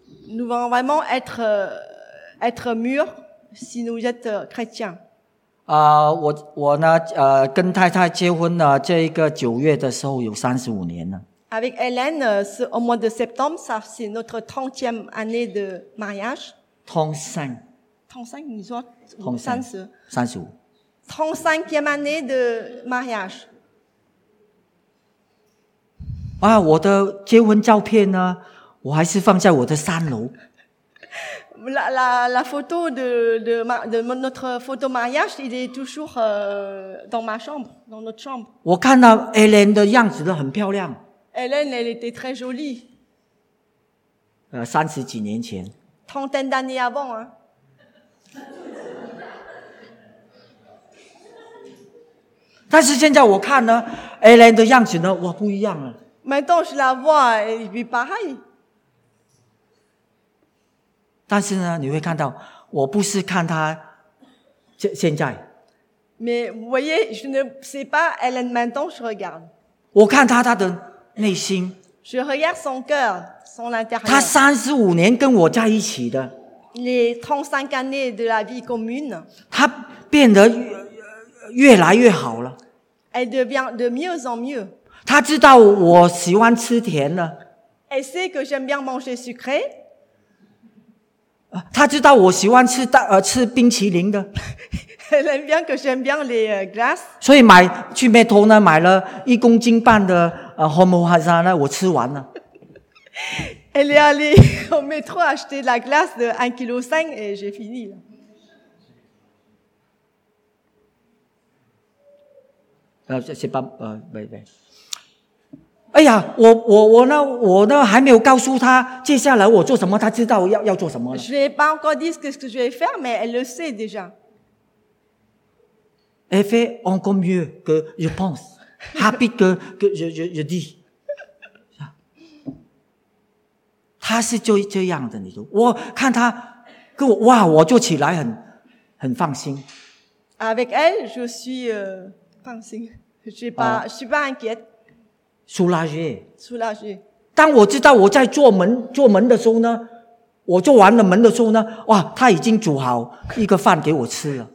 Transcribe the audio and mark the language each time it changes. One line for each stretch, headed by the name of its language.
French: ？Nous devons vraiment être mûrs si nous êtes chrétiens.
Chinese: 啊，我呢跟太太结婚呢，这一个九月的时候有35年了。
French: Avec Hélène, c'est au mois de septembre, ça c'est notre 30e année de mariage. 35,
Chinese: 你说35？三十五。
French: 35e année de mariage.
Chinese: 啊，我的结婚照片呢？我还是放在我的三楼。
French: La photo de notre photo mariage, il est toujours dans ma chambre, dans notre chambre.
Chinese: 我看到 Hélène 的样子都很漂亮。
French: Hélène, elle était très jolie.
Chinese: 三十几年前。
French: Trentaine d'années avant, hein.
Chinese: 但是现在我看呢 ，Alan 的样子呢，哇，不一样了。
French: Maintenant je la vois, elle est pareille.
Chinese: 但是呢，你会看到，我不是看他现在。
French: Mais vous voyez, je ne sais pas Alan maintenant je regarde.
Chinese: 我看他的内心。
French: Je regarde son cœur, son intérieur.
Chinese: 他三十五年跟我在一起的。
French: Les 35 années de la vie commune.
Chinese: 他变得。越来越好了。
French: Elle devient de mieux en mieux.
Chinese: 他知道我喜欢吃甜的。
French: Elle sait que j'aime bien manger sucré.
Chinese: 他知道我喜欢吃冰淇淋的。
French: Elle aime bien que j'aime bien les glaces.
Chinese: 所以买去Metro呢，买了1.5公斤的Homo Hazana，我吃完了。
French: Elle est allée au Metro acheter la glace de 1.5 kg et j'ai fini. C'est pas,
Chinese: 哎呀，我呢还没有告诉他接下来我做什么，他知道要做什么了。
French: Je n'ai pas encore dit ce que je vais faire, mais elle le sait déjà. Elle fait encore mieux que je pense. habit 的地。
Chinese: 他是就这样的，你说我看他跟我，哇，我就起来很放心。
French: Avec elle, je suis,
Chinese: 放心。
French: Je suis pas inquiète. Soulagé.
Chinese: 当我知道我在做门的时候呢，我做完了门的时候呢，哇，他已经煮好一个饭给我吃了。